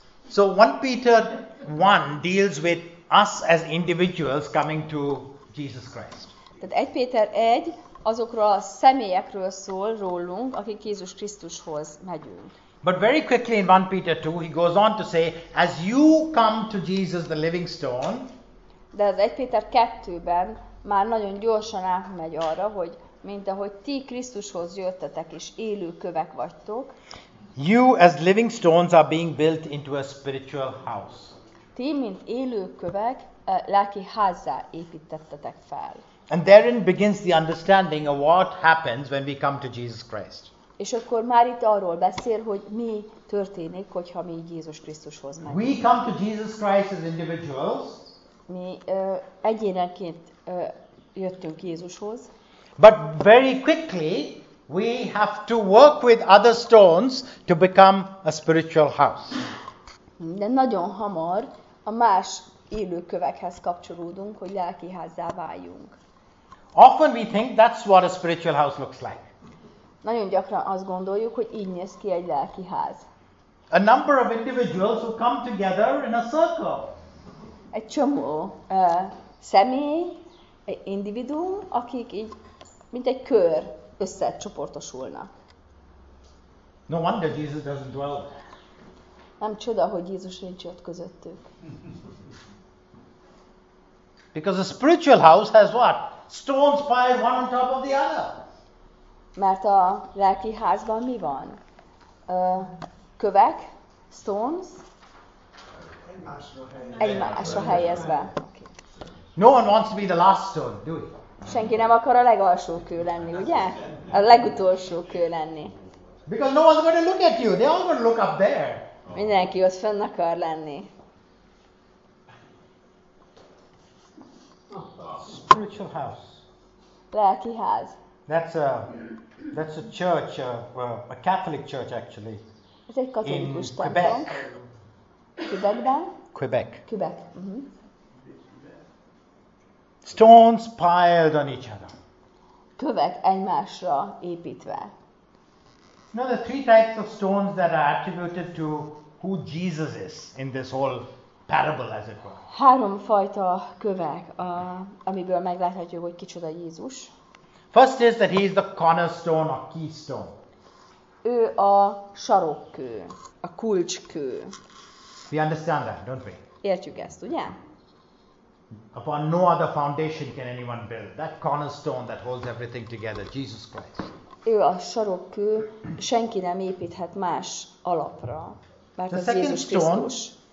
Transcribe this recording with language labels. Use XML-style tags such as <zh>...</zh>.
<en>So 1 Peter 1 deals with us as individuals coming to Jesus Christ.</en> <hu>Tehát 1 Péter 1 azokról a személyekről szól rólunk, akik Jézus Krisztushoz megyünk.</hu> <en>But very quickly in 1 Peter 2 he goes on to say, as you come to Jesus the living stone.</en> <hu>De az 1 Péter 2-ben már nagyon gyorsan átmegy arra, hogy mint ahogy ti Krisztushoz jöttetek és élő kövek vagytok.</hu> <en>You as living stones are being built into a spiritual house.</en> <hu>Ti mint élő kövek lelki házzá építettetek fel.</hu> <en>And therein begins the understanding of what happens when we come to Jesus Christ.</en> <hu>És akkor már itt arról beszél, hogy mi történik, hogyha mi Jézus Krisztushoz megyünk.</hu> <en>We come to Jesus Christ as individuals.</en> <hu>Mi egyénenként jöttünk Jézushoz.</hu> <en>But very quickly we have to work with other stones to become a spiritual house.</en> <hu>De nagyon hamar a más élő kövekhez kapcsolódunk, hogy lelki házzá váljunk.</hu> <en>Often we think that's what a spiritual house looks like.</en> <hu>Nagyon gyakran azt gondoljuk, hogy így néz ki egy lelki ház.</hu> <en>A number of individuals who come together in a circle.</en> <hu>Egy csomó személy, egy individuum, akik így, mint egy kör, összecsoportosulnak.</hu> <en>No wonder Jesus doesn't dwell.</en> <hu>Nem csoda, hogy Jézus nincs ott közöttük.</hu> <en>Because a spiritual house has what? Stones piled one on top of the other.</en> <hu>Mert a lelki házban mi van? Kövek, stones. Egymásra helyezve.</hu> <en>Okay. No one wants to be the last stone, do we?</en> <hu>Senki nem akar a legalsó kő lenni, ugye? A legutolsó kő lenni.</hu> <en>Because no one's going to look at you. They all going to look up there.</en> <hu>Mindenki ott fenn akar lenni.</hu> <en>Spiritual house.</en> <hu>Lelki ház.</hu> <en>That's a church, a Catholic church actually.</en> <hu>Ez egy katolikus templom. Quebecben?</hu> <en>Quebec. Quebec. Uh-huh. Stones piled on each other.</en> <hu>Kövek egymásra építve.</hu> <en>Now the three types of stones that are attributed to who Jesus is in this whole parable, as it were.</en> <hu>Három fajta kövek, amiből megláthatjuk, hogy kicsoda Jézus.</hu> <en>First is that he is the cornerstone or keystone.</en> <hu>Ő a sarokkő, a kulcskő.</hu> <en>We understand that, don't we?</en> <hu>Értjük ezt, ugye?</hu> <en>Upon no other foundation can anyone build. That cornerstone that holds everything together, Jesus Christ.</en> <hu>ő a sarokkő, senki nem építhet más alapra, mert az Jézus Krisztus.</hu>